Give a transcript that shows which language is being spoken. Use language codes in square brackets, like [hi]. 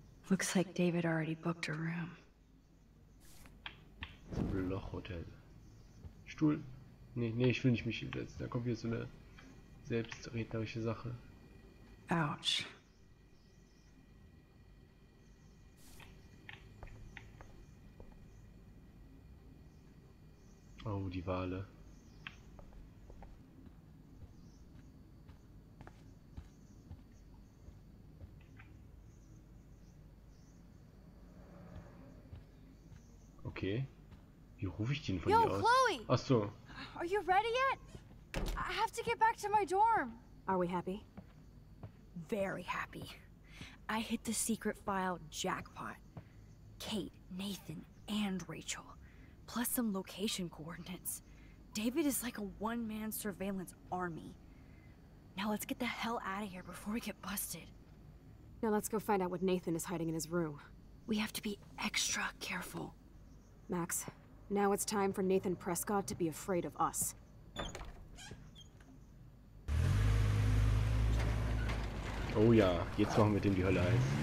[en] Looks like David already booked a room. [de] So ein Lochhotel. Stuhl? Nee, ich will nicht mich hinsetzen. Da kommt wieder so eine selbstrednerische Sache. Ouch. Oh, die Wale. Okay. Wie rufe ich den von hier aus? Chloe! Ach so. [en] Are you ready yet? I have to get back to my dorm. Are we happy? Very happy. I hit the secret file jackpot. Kate, Nathan, and Rachel. Plus some location coordinates. David is like a one-man surveillance army. Now let's get the hell out of here before we get busted. Now let's go find out what Nathan is hiding in his room. We have to be extra careful. Max, now it's time for Nathan Prescott to be afraid of us. [de] Oh ja, jetzt machen wir dem die Hölle heiß.